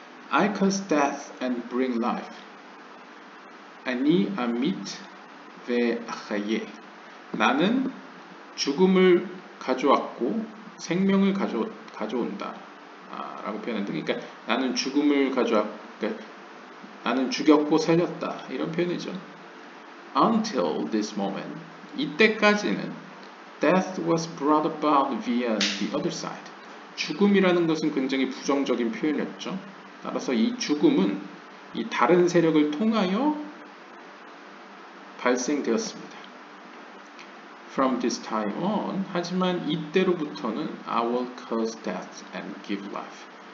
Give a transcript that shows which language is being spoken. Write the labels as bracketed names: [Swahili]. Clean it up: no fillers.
[English] I cause death and bring life. [Hebrew] 아니 아밋 베 아하예. [Korean] 나는 죽음을 가져왔고 생명을 가져온다. 라고 표현했는데, 그러니까 나는 죽음을 가져왔고, 그러니까 나는 죽였고 살렸다. 이런 표현이죠. [English] Until this moment, [Korean] 이때까지는 [English] death was brought about via the other side. [Korean] 죽음이라는 것은 굉장히 부정적인 표현이었죠. 따라서 이 죽음은 이 다른 세력을 통하여 발생되었습니다. [English] From this time on, [Korean] 하지만 이때로부터는 [English] I will cause death and give life.